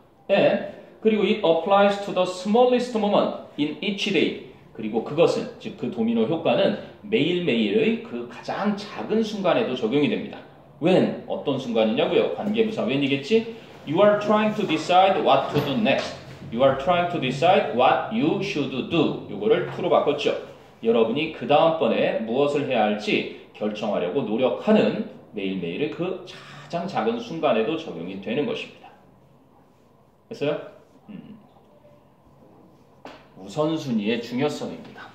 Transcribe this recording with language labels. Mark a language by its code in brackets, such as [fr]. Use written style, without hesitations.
[en] and [ko] 그리고 [en] it applies to the smallest moment in each day. [ko] 그리고 그것은, 즉 그 도미노 효과는 매일매일의 그 가장 작은 순간에도 적용이 됩니다. when, 어떤 순간이냐고요? 관계부사 when이겠지? [en] You are trying to decide what to do next. You are trying to decide what you should do. [ko] 요거를 to로 바꿨죠. 여러분이 그 다음번에 무엇을 해야 할지 결정하려고 노력하는 매일매일의 그 가장 작은 순간에도 적용이 되는 것입니다. 됐어요? 우선순위의 중요성입니다.